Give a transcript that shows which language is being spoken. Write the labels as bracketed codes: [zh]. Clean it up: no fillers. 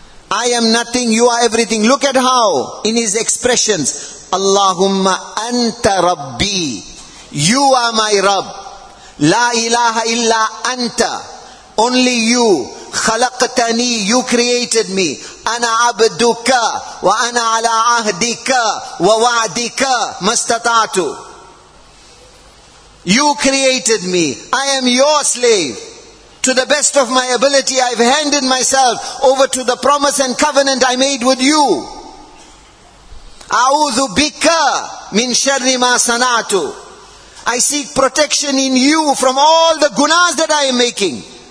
[en] I am nothing, you are everything. Look at how, in his expressions, [ar] Allahumma anta Rabbi, [en] you are my Rabb. [ar] La ilaha illa anta, [en] only you. [ar] خلقتني, [en] you created me. [ar] أنا عبدك وأنا على عهدك ووعدك ما استطعت. [en] You created me. I am your slave. To the best of my ability, I've handed myself over to the promise and covenant I made with you. [ar] أعوذ بك من شر ما صنعت. [en] I seek protection in you from all the gunas that I am making.